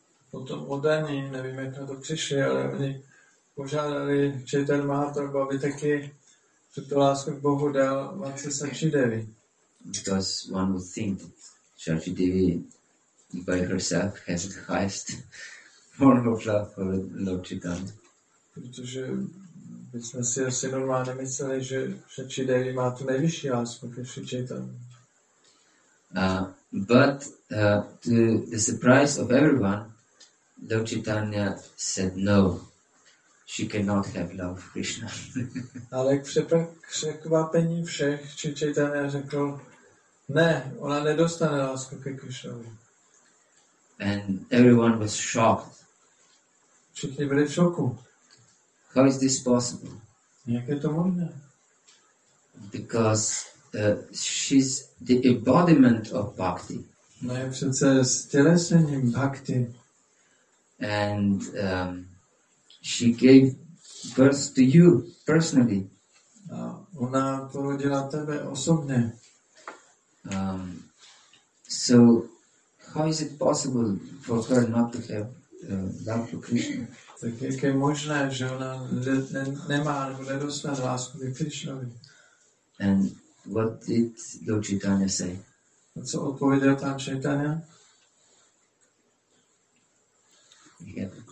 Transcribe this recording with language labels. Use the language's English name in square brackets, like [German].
[Czech] Potom oddaní, nevím, jak na to přišli, ale oni požádali Chaitanya Mahaprabhu, aby taky tuto lásku k Bohu dal matce Shachidevi. [English] Because one would think that Shachidevi by herself has the highest form of love for Lord Chaitanya. [Czech] Protože my jsme si asi normálně mysleli, že Shachidevi má tu nejvyšší lásku ke Sri Chaitanya. [English] To the surprise of everyone, Lord Chaitanya said no, she cannot have love for Krishna. [Czech] Ale k překvapení všech, Sri Chaitanya řekl, ne, ona nedostane lásku ke Krishnovi. [English] And everyone was shocked. [Czech] Všichni byli v šoku. [English] How is this possible? [Czech] Jak je to možné? [English] Because she's the embodiment of bhakti. [Czech] No je přece stělesněním bhakti. [English] And she gave birth to you personally. [Czech] A ona porodila tebe osobně. [English] So how is it possible for her not to have love for Krishna? [Czech] Tak jak je možné, že ona nemá nebo nedostane lásku k Krishnovi? [English] And what did Lord Chaitanya say? [Czech] A co odpověděl tam Chaitanya? [English] Yeah.